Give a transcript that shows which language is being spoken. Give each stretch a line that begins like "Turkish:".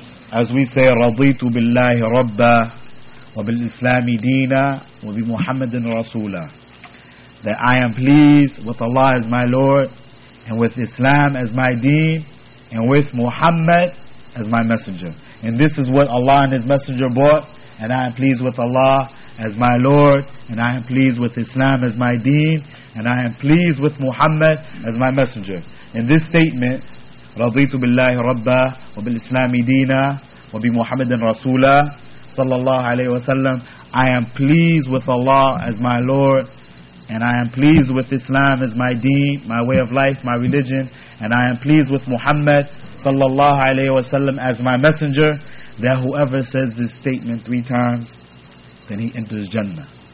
English: As we say,
Arabic: رَضِيتُ بِاللَّهِ رَبَّا وَبِالْإِسْلَامِ دِينًا وَبِمُحَمَّدٍ رَسُولًا,
English: that I am pleased with Allah as my Lord, and with Islam as my deen, and with Muhammad as my messenger. And this is what Allah and His messenger brought, and I am pleased with Allah as my Lord, and I am pleased with Islam as my deen, and I am pleased with Muhammad as my messenger. In this statement,
Arabic: رضيت بالله ربا وبالإسلام دينا وبمحمد رسولا صلى الله عليه وسلم.
English: I am pleased with Allah as my Lord, and I am pleased with Islam as my deen, my way of life, my religion, and I am pleased with Muhammad
Arabic: صلى الله عليه وسلم
English: as my messenger. That whoever says this statement three times, then he enters Jannah.